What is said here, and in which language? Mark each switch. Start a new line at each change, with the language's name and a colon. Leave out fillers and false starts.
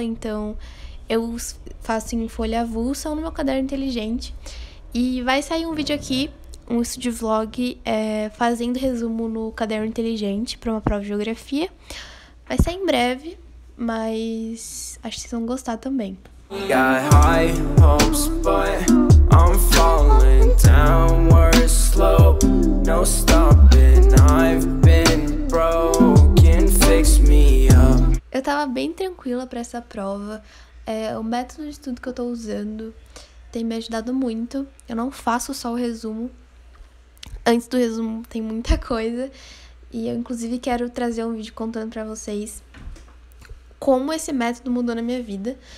Portuguese: Então, eu faço em folha avulsa ou no meu caderno inteligente. E vai sair um vídeo aqui, um estúdio vlog, fazendo resumo no caderno inteligente para uma prova de geografia. Vai sair em breve, mas acho que vocês vão gostar também.
English: Got high hopes, but I'm falling downward slow. No stopping, I've been broken, fix me up.
Portuguese: Eu tava bem tranquila para essa prova. O método de estudo que eu tô usando tem me ajudado muito. Eu não faço só o resumo. Antes do resumo tem muita coisa. E eu, inclusive, quero trazer um vídeo contando pra vocês como esse método mudou na minha vida.